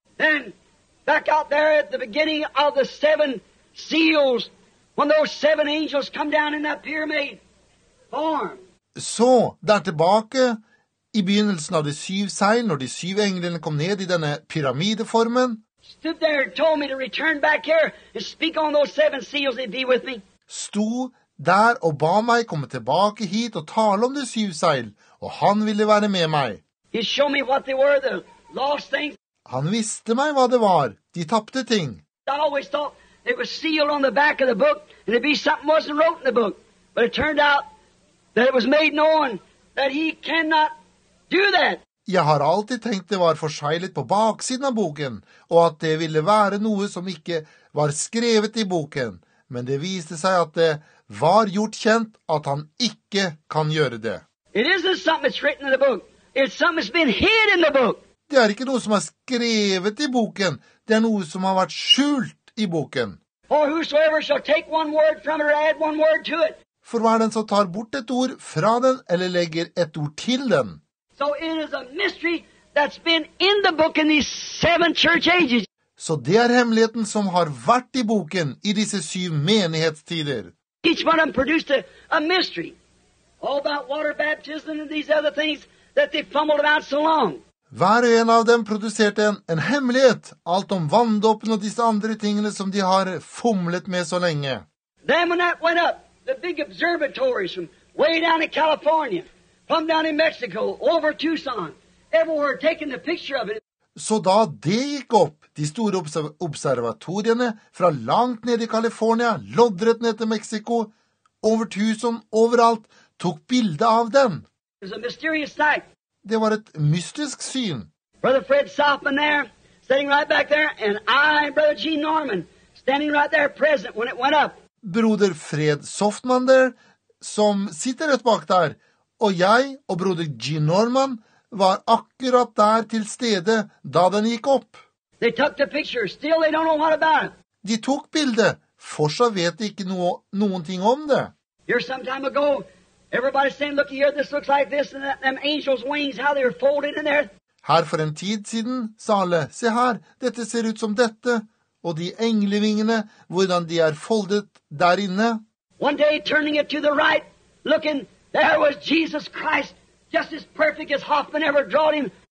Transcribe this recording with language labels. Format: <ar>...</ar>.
<en>Then, back out there at the beginning of the seven seals, when those seven angels come down in that pyramid form.</en> <no>Så, der tilbake, I begynnelsen av de syv seil, når de syv englene kom ned I denne pyramideformen,</no> <en>stood there and told me to return back here and speak on those seven seals and be with me.</en> <no>Sto der og ba meg komme tilbake hit og tale om de syv seil, og han ville være med meg.</no> <en>He showed me what they were, the lost things.</en> <no>Han visste meg hva det var, de tapte ting.</no> <en>I always thought it was sealed on the back of the book and it'd be something wasn't wrote in the book. But it turned out that it was made known that he cannot do that.</en> <no>Jeg har alltid tenkt det var forseglet på baksiden av boken, og at det ville være noe som ikke var skrevet I boken, men det viste seg at det var gjort kjent at han ikke kan gjøre det.</no> <en>It isn't something that's written in the book. It's something that's been hid in the book.</en> <no>Det ikke noe som skrevet I boken. Det noe som har vært skjult I boken.</no> <en>For whosoever shall take one word from it or add one word to it.</en> <no>For hver den som tar bort et ord fra den, eller legger et ord til den.</no> <en>So it is a mystery that's been in the book in these seven church ages.</en> <no>Så det hemmeligheten som har vært I boken I disse syv menighetstider.</no> <en>Each one of them produced a mystery. All about water baptism and these other things that they fumbled about so long.</en> <no>Hver en av dem produserte en hemmelighet, alt om vanndåpen og disse andre tingene som de har fumlet med så lenge.</no> <en>Then when that went up, the big observatories from way down in California, from down in Mexico, over Tucson, everywhere taking the picture of it.</en> <no>Så da det gikk opp, de store observatoriene fra langt ned I California, loddret ned til Mexico, over Tucson, overalt, tok bildet av den.</no> <en>It was a mysterious sight.</en> <no>Det var et mystisk syn.</no> <en>Brother Fred Soffman there, standing right back there, and I, Brother G. Norman, standing right there present when it went up.</en> <no>Broder Fred Softman der, som sitter rett bak der, og jeg og broder G. Norman var akkurat der til stede da den gikk opp.</no> <en>They took the picture. Still they don't know what about it.</en> <no>De tok bildet. Fortsatt vet de ikke noen ting om det.</no> <en>Here some time ago, everybody saying, look here, this looks like this, and them angels' wings, how they're folded in there.</en> <no>Her for en tid siden, sa alle, se her, dette ser ut som dette. Og de englevingene, hvordan de foldet der inne.</no> <en>One day, turning it to the right, looking, there was Jesus Christ, just as perfect as Hoffman ever drawn him.</en>